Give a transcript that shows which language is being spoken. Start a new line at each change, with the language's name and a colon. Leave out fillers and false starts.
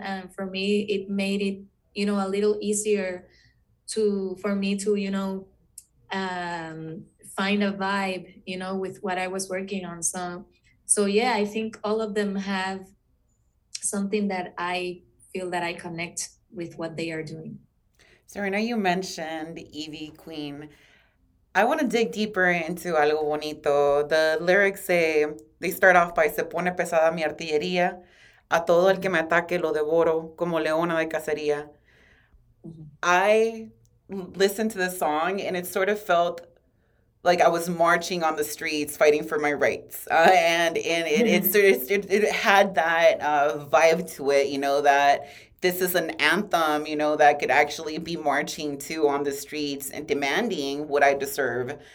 English: And for me, it made it, you know, a little easier to, for me to, you know, find a vibe, you know, with what I was working on. So yeah, I think all of them have something that I feel that I connect with what they are doing. Serena, you mentioned Evie Queen. I want to dig deeper into Algo Bonito. The lyrics say, they start off by,
Spanish: se pone pesada mi artillería, a todo el que me ataque lo devoro como leona de cacería.
English: Mm-hmm. I listened to the song and it sort of felt like I was marching on the streets fighting for my rights. And it had that vibe to it, you know, that this is an anthem, you know, that could actually be marching to on the streets and demanding what I deserve.